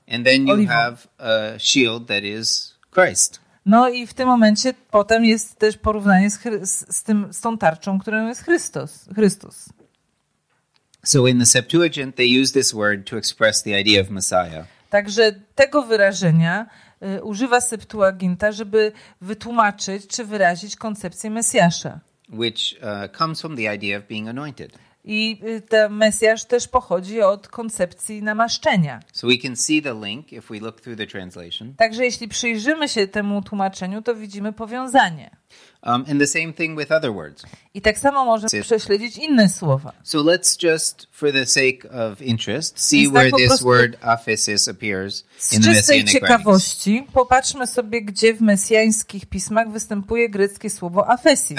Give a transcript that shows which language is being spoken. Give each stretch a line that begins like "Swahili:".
English: And then you have a shield that is Christ.
Polish: No i w tym momencie potem jest też porównanie z tą tarczą, którą jest Chrystus.
English: So in the Septuagint they use this word to express the idea of Messiah.
Polish: Także tego wyrażenia używa Septuaginta, żeby wytłumaczyć czy wyrazić koncepcję Mesjasza.
English: Which comes from the idea of being anointed.
Polish: I ten Mesjasz też pochodzi od koncepcji namaszczenia.
English: So we can see the link if we look through the translation.
Polish: Także jeśli przyjrzymy się temu tłumaczeniu, to widzimy powiązanie.
English: And the same thing with other words.
Polish: I tak samo możemy prześledzić inne słowa.
English: So let's just for the sake of interest see where this word aphesis appears in the Messianic writings.
Polish: Z ciekawości popatrzmy sobie, gdzie w mesjańskich pismach występuje greckie słowo aphesis.